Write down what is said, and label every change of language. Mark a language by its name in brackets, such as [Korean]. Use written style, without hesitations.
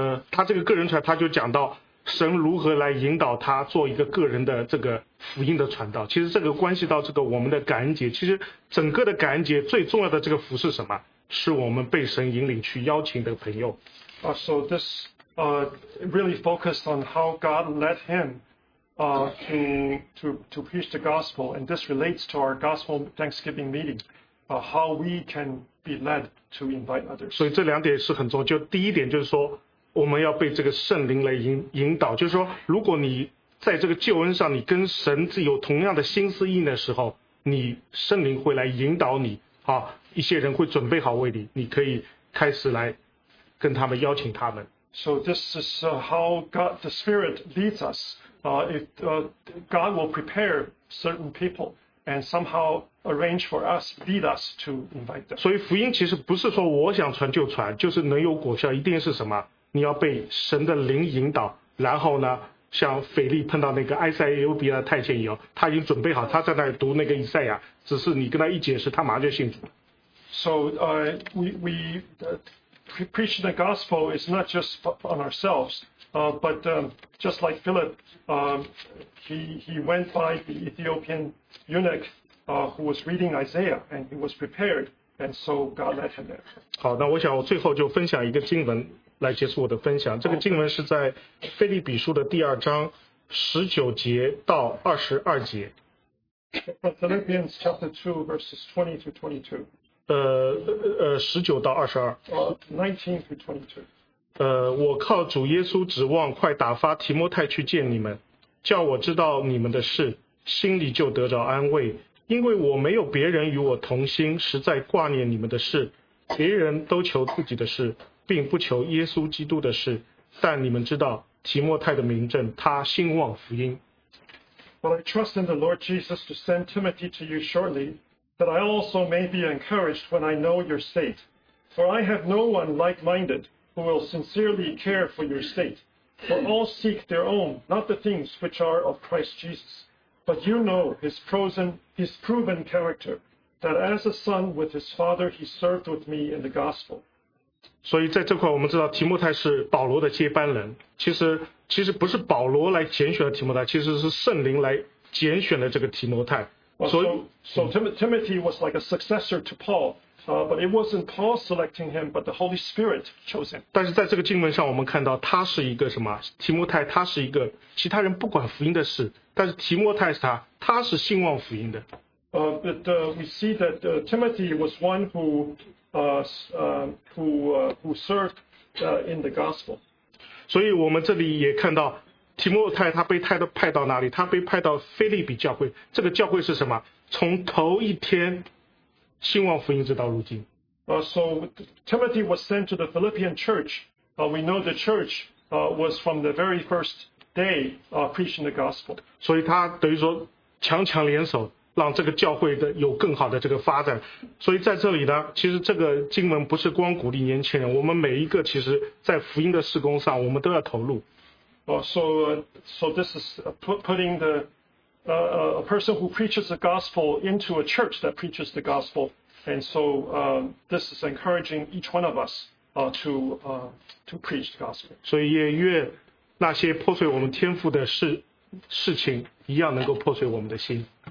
[Chinese] 他这个个人传，他就讲到神如何来引导他做一个个人的这个福音的传道。其实这个关系到这个我们的感恩节。其实整个的感恩节最重要的这个福是什么？是我们被神引领去邀请的朋友。 [English] So this really focused on how God led him to preach the gospel, and this relates to our gospel Thanksgiving meeting. How we can be led to invite others. [Chinese] 所以这两点是很重要。就第一点就是说，我们要被这个圣灵来引导。就是说，如果你在这个救恩上，你跟神有同样的心思意的时候，你圣灵会来引导你啊，一些人会准备好为你，你可以开始来跟他们邀请他们。 [English] So this is how God the Spirit leads us. God will prepare certain people. And somehow arrange for us, lead us to invite them. [Chinese] 所以福音其实不是说我想传就传，就是能有果效，一定是什么？你要被神的灵引导，然后呢，像腓力碰到那个埃塞俄比亚的太监以后，他已经准备好，他在那里读那个以赛亚，只是你跟他一解释，他马上就信主。 [English] So we preach the gospel is not just on ourselves, just like Philip, he went by the Ethiopian. Eunuch, who was reading Isaiah, and he was prepared, and so God led him there. [Chinese] 好，那我想我最后就分享一个经文来结束我的分享。这个经文是在《腓立比书》的第二章十九节到二十二节。 [English] Philippians chapter 2, verses 20 to 22. [Chinese] 十九到二十二。 [English] 19 to 22. [Chinese] 我靠主耶稣指望，快打发提摩太去见你们，叫我知道你们的事。心里就得着安慰，因为我没有别人与我同心，实在挂念你们的事。别人都求自己的事，并不求耶稣基督的事。但你们知道提摩太的名证，他兴旺福音。 [English] But I trust in the Lord Jesus to send Timothy to you shortly, that I also may be encouraged when I know your state. For I have no one like-minded who will sincerely care for your state. For all seek their own, not the things which are of Christ Jesus. But you know his proven character, that as a son with his father, he served with me in the gospel. [Chinese] 所以在这块我们知道提摩太是保罗的接班人，其实不是保罗来拣选了提摩太，其实是圣灵来拣选了这个提摩太。 [English] Timothy was like a successor to Paul, but it wasn't Paul selecting him, but the Holy Spirit chose him. [Chinese] 但是在这个经文上我们看到他是一个什么，提摩太他是一个其他人不管福音的事，但是提摩太是他是信望福音的。 [English] We see that Timothy was one who served in the gospel. [Chinese] 所以我们这里也看到提摩太他被派到哪里，他被派到腓立比教会，这个教会是什么，从头一天兴旺福音直到如今。 [English] So Timothy was sent to the Philippian church. We know the church was from the very first day preaching the gospel. [Chinese] 所以他等于说强强联手让这个教会的有更好的这个发展。所以在这里呢，其实这个经文不是光鼓励年轻人，我们每一个其实在福音的事工上我们都要投入。 [English] So this is putting the a person who preaches the gospel into a church that preaches the gospel, and so this is encouraging each one of us to preach the gospel. [Chinese] 所以也愿那些破碎我们天父的事情一样能够破碎我们的心。